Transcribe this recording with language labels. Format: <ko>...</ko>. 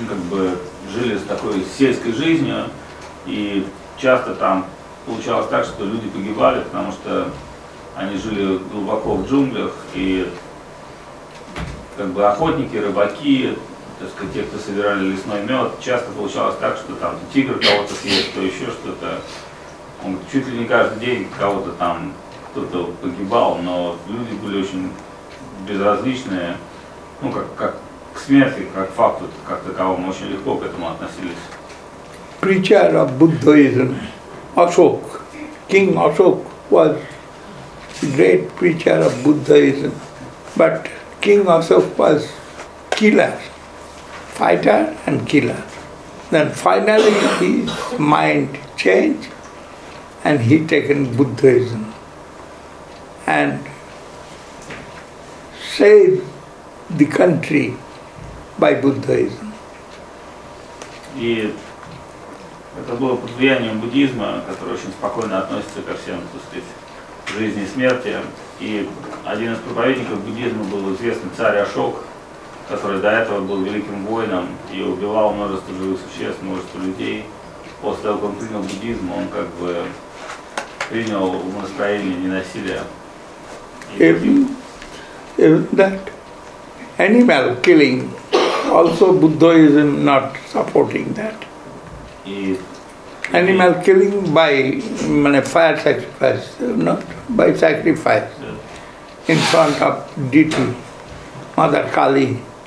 <ru>бы жили с такой сельской жизнью, и часто там получалось так, что люди погибали, потому что они жили глубоко в джунглях, и как бы охотники, рыбаки, то есть те, кто собирали лесной мед, часто получалось так, что там тигр кого-то съест, то еще что-то. Он чуть ли не каждый день кого-то там кто-то погибал, но люди были очень безразличные, ну как к смерти, как факту, как таковому, очень легко к этому относились.</ru> <en>Preacher of Buddhism, Ashok, King Ashok was great preacher of Buddhism, but King Ashok was killer. Fighter and killer. Then finally his mind changed and he taken Buddhism and saved the country by Buddhism.</en> <ru>И это было под влиянием буддизма, который очень спокойно относится ко всем, так сказать, жизни и смерти. И один из проповедников буддизма был известный царь Ашок, который до этого был великим воином и убивал множество живых существ, множество людей. После того, как он принял буддизм, он как бы принял умонастроение ненасилия.</ru> <en>If that animal killing, also Buddhism not supporting that. Animal killing by fire sacrifice, not by sacrifice, in front of deity, Mother Kali.</en>